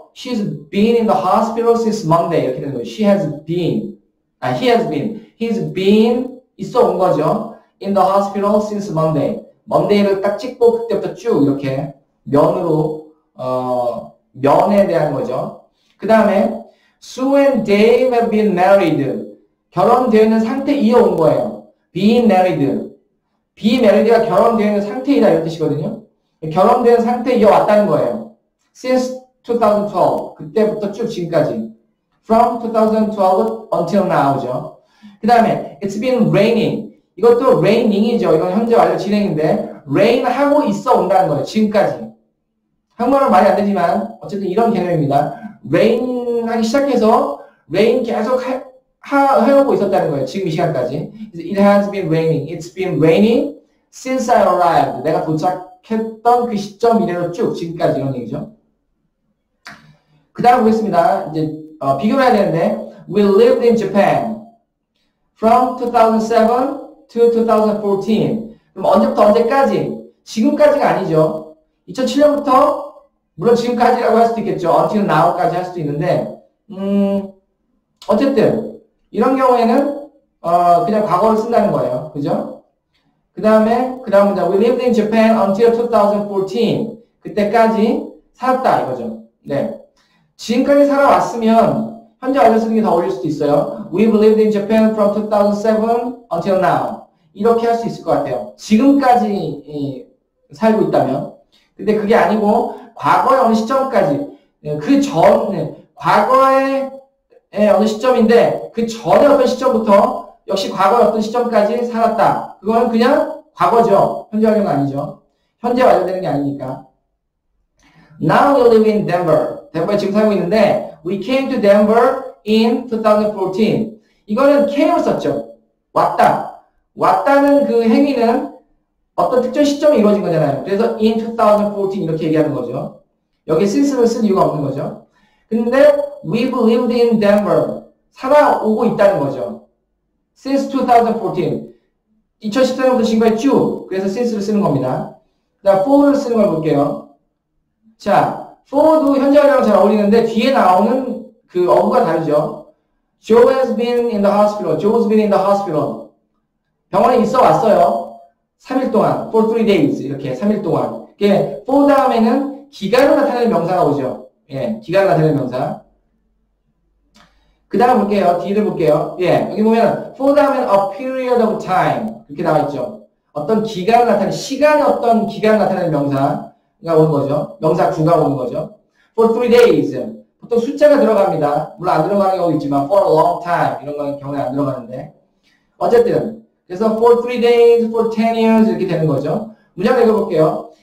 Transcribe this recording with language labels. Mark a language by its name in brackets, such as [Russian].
[English] She's been in the hospital since Monday. [Korean] 이렇게 되는 거예요. [English] She has been. 아, he has been. He's been. [Korean] 있어 온 거죠. [English] In the hospital since Monday. [Korean] Monday를 딱 찍고 그때부터 쭉 이렇게 면으로 면에 대한 거죠. [English] 그 다음에 Sue and Dave have been married. [Korean] 결혼되어 있는 상태 이어 온 거예요. [English] Been married. [Korean] Be married가 결혼되어 있는 상태이다 이런 뜻이거든요. 결혼된 상태 이어 왔다는 거예요. [English] Since 2012. [Korean] 그때부터 쭉 지금까지. [English] From 2012 until now죠. 그 다음에 It's been raining. [Korean] 이것도 raining이죠. 이건 현재 완료 진행인데 rain하고 있어 온다는 거예요. 지금까지. 한국말은 말이 안 되지만 어쨌든 이런 개념입니다. rain하기 시작해서 rain 계속 해오고 있었다는 거예요. 지금 이 시간까지. [English] It has been raining. It's been raining since I arrived. [Korean] 내가 도착했던 그 시점 이래로 쭉 지금까지 이런 얘기죠. 그 다음 보겠습니다. 이제 비교를 해야 되는데 [English] We lived in Japan. From 2007 to 2014. [Korean] 그럼 언제부터 언제까지? 지금까지가 아니죠. 2007년부터 물론 지금까지라고 할 수도 있겠죠. until now까지 할 수도 있는데 어쨌든 이런 경우에는 그냥 과거를 쓴다는 거예요. 그죠? 그 다음에 그 다음 문장 [English] We lived in Japan until 2014. [Korean] 그때까지 살았다 이거죠. 네. 지금까지 살아왔으면 현재 완료 쓰는 게 더 어울릴 수도 있어요. [English] We've lived in Japan from 2007 until now. [Korean] 이렇게 할 수 있을 것 같아요. 지금까지 살고 있다면. 근데 그게 아니고 과거의 어느 시점까지 그 전 과거의 어느 시점인데 그 전의 어떤 시점부터 역시 과거의 어떤 시점까지 살았다. 그건 그냥 과거죠. 현재 완료는 아니죠. 현재 완료되는 게 아니니까. [English] Now we live in Denver. [Korean] 덴버에 지금 살고 있는데 [English] We came to Denver in 2014. [Korean] 이거는 came을 썼죠. 왔다. 왔다는 그 행위는 어떤 특정 시점에 이루어진 거잖아요. 그래서 in 2014 이렇게 얘기하는 거죠. 여기 since를 쓴 이유가 없는 거죠. [English] 근데 we've lived in Denver. [Korean] 살아오고 있다는 거죠. since 2014. 2014년부터 지금까지 쭉. 그래서 since를 쓰는 겁니다. 그 다음 for를 쓰는 걸 볼게요. 자. for도 현재 완료랑 잘 어울리는데 뒤에 나오는 그 어구가 다르죠. [English] Joe has been in the hospital. Joe's been in the hospital. [Korean] 병원에 있어 왔어요. 3일 동안. for 3 days. 이렇게 3일 동안. 이게 for 다음에는 기간을 나타내는 명사가 오죠. 예, 기간을 나타내는 명사. 그 다음 볼게요. 뒤를 볼게요. 예, 여기 보면 for 다음에는 [English] a period of time. [Korean] 이렇게 나와있죠. 어떤 기간을 나타내는, 시간의 어떤 기간을 나타내는 명사. 가 오는 거죠. 명사 9가 오는 거죠. For three days. 보통 숫자가 들어갑니다. 물론 안 들어가는 경우도 있지만 [English] For a long time. [Korean] 이런 건 경우에 안 들어가는데 어쨌든 그래서 [English] for three days, for 10 years [Korean] 이렇게 되는 거죠. 문장을 읽어볼게요.